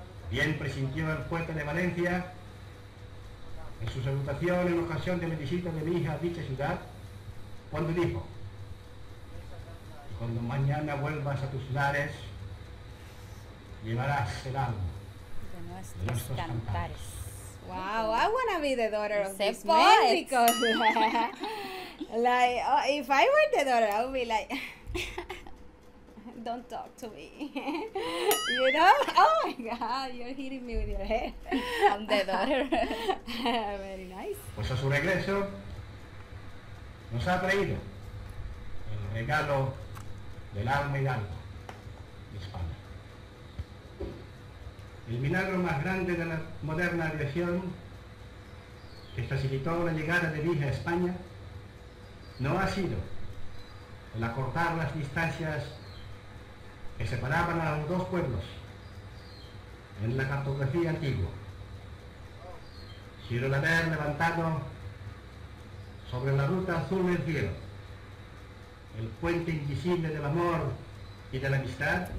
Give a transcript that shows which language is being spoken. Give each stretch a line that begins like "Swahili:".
Spanish: Bien presintió el puerto de Valencia en su salutación en ocasión de la visita de mi hija a dicha ciudad cuando dijo: cuando mañana vuelvas a tus lares llevarás el alma de nuestros cantares.
English: Wow, I want to be the daughter of this man because, if I were the daughter, I would be like, don't talk to me. You know? Oh my God, you're hitting me with your head. I'm the daughter. Very nice.
Spanish: Pues a su regreso, nos ha traído el regalo del alma y alma de España. El milagro más grande de la moderna aviación que facilitó la llegada de Villa a España no ha sido el acortar las distancias que separaban a los dos pueblos en la cartografía antigua, sino el haber levantado sobre la ruta azul del cielo el puente invisible del amor y de la amistad